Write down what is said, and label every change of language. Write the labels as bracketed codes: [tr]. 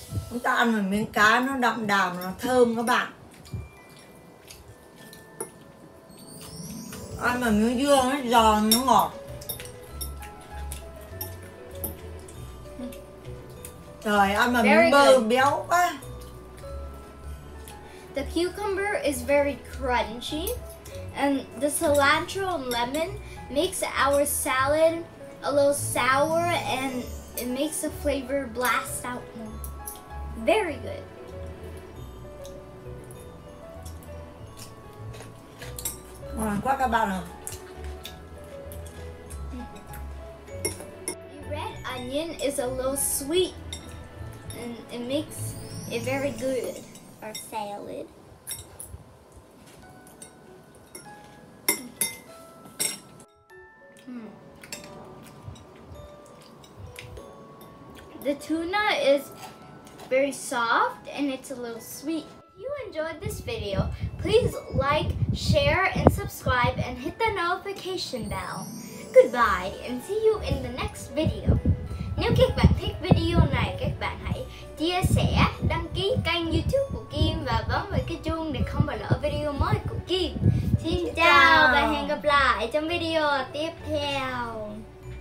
[vi] Chúng ta ăn một miếng cá nó đậm đà, nó thơm các bạn. Ăn một miếng dưa nó giòn, nó ngọt. Trời, ăn một miếng bơ béo quá. [en] The cucumber is very crunchy and the cilantro and lemon makes our salad a little sour and it makes the flavor blast out more. Very good. [vi] Ngon quá các bạn ạ. [en] The red onion is a little sweet and it makes it very good, our salad. The tuna is very soft and it's a little sweet. If you enjoyed this video, please like, share, and subscribe and hit the notification bell. Goodbye and see you in the next video. [vi] Nếu các bạn thích video này, các bạn hãy chia sẻ, đăng ký kênh YouTube của Kim và bấm vào cái chuông để không bỏ lỡ video mới của Kim. Xin chào và hẹn gặp lại trong video tiếp theo.